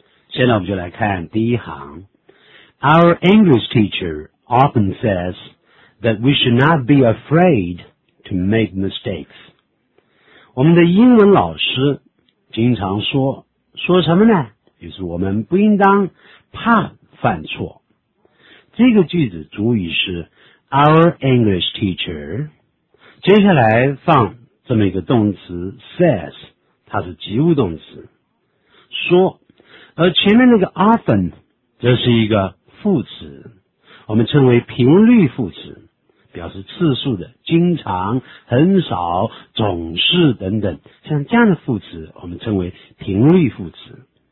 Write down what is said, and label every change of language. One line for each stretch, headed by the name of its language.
Chinese: 现在我们就来看第一行。
English: Our English teacher often says that we should not be afraid to make mistakes.
Chinese: 我们的英文老师经常说，说什么呢？就是我们不应当怕犯错。这个句子主语是
English: our English teacher，
Chinese: 接下来放这么一个动词 says， 它是及物动词，说，而前面那个 often 则是一个副词，我们称为频率副词，表示次数的，经常、很少、总是等等，像这样的副词我们称为频率副词。